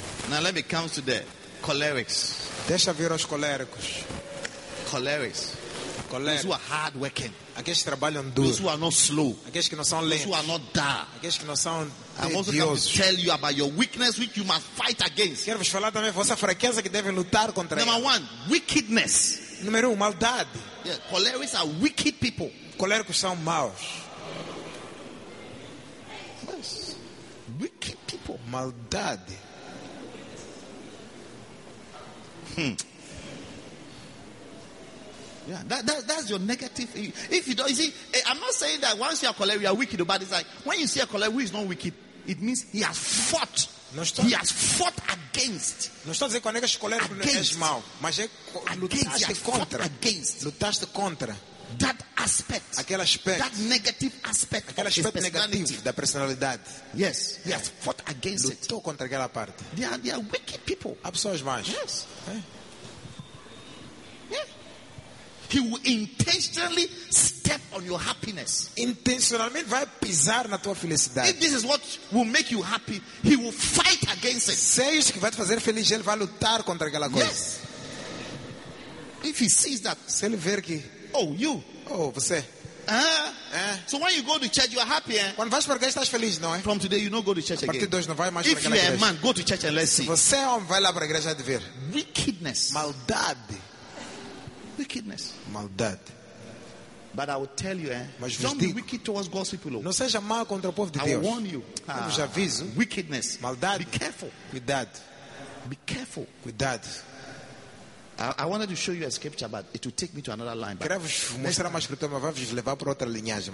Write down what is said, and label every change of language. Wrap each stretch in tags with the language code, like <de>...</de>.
<en>Now let me come to the colerics.</en> <pt>Deixa vir os coléricos.</pt> <en>Colerics.</en> <pt>Colérico.</pt> <en>Those who are hard working.</en> <pt>Aqueles que trabalham duro.</pt> <en>Those who are not slow.</en> <pt>Aqueles que não são lentos.</pt> <en>Those who are not dull.</en> <pt>Aqueles que não são</pt> <en>I'm also going to tell you about your weakness which you must fight against.</en> <pt>Quero vos falar também vossa fraqueza que devem lutar contra ela.</pt> <en>Number one, wickedness.</en> <pt>Número um, maldade.</pt> <en>Yeah, colérics are wicked people.</en> <pt>Coléricos são maus.</pt> <en>Yes. Wicked people.</en> <pt>Maldade.</pt> <en>Yeah, that's your negative. If you don't, you see, I'm not saying that once you are cholera, you are wicked, but it's like when you see a cholera who is not wicked, it means he has fought.</en> <pt>Não estou,</pt> <en>he has fought against.</en> <pt>Não estou a dizer quando é que a cholera és mau, mas é lutaste contra.</pt> <en>Against.</en> <pt>Lutaste contra.</pt> <en>That aspect,</en> <pt>aquele aspect,</pt> <en>that negative aspect,</en> <pt>aquele aspecto negativo da personalidade.</pt> <en>Yes, he has fought against.</en> <pt>Lutou</pt> <en>it.</en> <pt>Lutou contra aquela parte.</pt> <en>They are wicked people.</en> <pt>Há pessoas más.</pt> <en>Yes. He will intentionally step on your happiness.</en> <pt>Intencionalmente vai pisar na tua felicidade.</pt> <en>If this is what will make you happy, he will fight against it.</en> <pt>Se é isso que vai te fazer feliz, ele vai lutar contra aquela coisa.</pt> <en>Yes. If he sees that,</en> <pt>se ele ver que,</pt> <en>oh, you.</en> <pt>Oh, você.</pt> <en>So when you go to church, you are happy, eh?</en> <pt>Quando vais para a igreja, estás feliz, não é?</pt> <en>From today, you don't go to church again.</en> <pt>A partir de hoje, não vai mais para a igreja.</pt> <en>If you are a man, go to church and let's see.</en> <pt>Se você é homem, vai lá para a igreja de ver.</pt> <en>Wickedness.</en> <pt>Maldade.</pt> <en>Wickedness.</en> <pt>Maldade.</pt> <en>But I will tell you,</en> <pt>mas</pt> <en>don't</en> <pt>digo,</pt> <en>be wicked towards God's people.</en> <pt>Não seja mal contra o povo de</pt> <en>I</en> <pt>Deus.</pt> <en>I warn you.</en> <pt>Eu já aviso.</pt> <en>Wickedness.</en> <pt>Maldade.</pt> <en>Be careful.</en> <pt>Cuidado.</pt> <en>Be careful.</en> <pt>Cuidado.</pt> <en>I wanted to show you a scripture, but it will take me to another line.</en> <pt>Quero vos mostrar uma escritura, mas vai-vos levar para outra linhagem.</pt>